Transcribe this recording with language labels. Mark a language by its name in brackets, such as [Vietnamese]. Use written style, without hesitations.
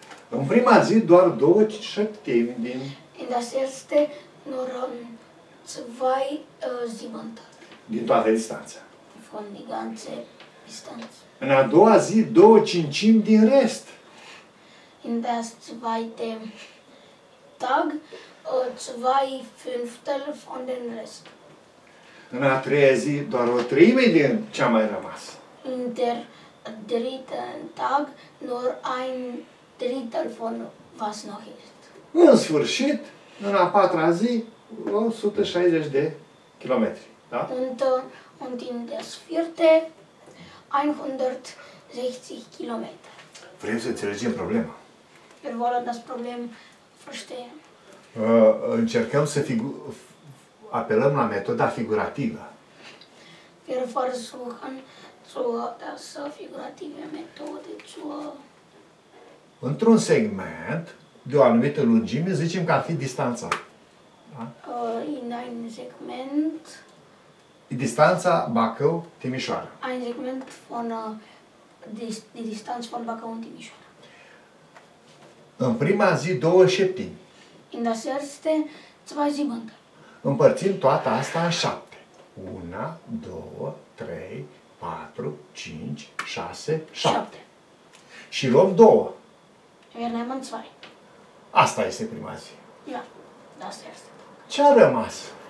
[Romanian] În prima zi doar două săptămâni din... [German] In das erste nur zwei Zimante. [Romanian] Din toată distanța. [German] Von die ganze Distanz. [Romanian] În a doua zi, două cincimi din rest. [German] In das zweite Tag, zwei Fünftel von den Rest. [Romanian] În a treia zi, doar o treime din ce-a mai rămas. [German] In der dritten Tag, nur ein Drittel von was noch ist. [Romanian] În sfârșit, în a patra zi, 160 de kilometri. Da? [German] Und in das vierte 160 km. [Romanian] Vrem să înțelegem problema. [German] Wir wollen das Problem verstehen. [Romanian] Încercăm să apelăm la metoda figurativă. [German] Wir versuchen zu das figurative Methode zu... [Romanian] Într-un segment de o anumită lungime, zicem că ar fi distanța. Da? [German] In ein segment... [Romanian] Distanța Bacău-Timișoara. [German] Ein Segment von die Distanz von Bacău-Timișoara. [Romanian] În prima zi două șeptimi. [German] In das erste zwei Siebente. [Romanian] Împărțim toată asta în șapte. Una, două, trei, patru, cinci, șase, șapte. Și luăm două. [German] Wir nehmen zwei. [Romanian] Asta este prima zi. [German] Ja, das erste. [Romanian] Ce a rămas?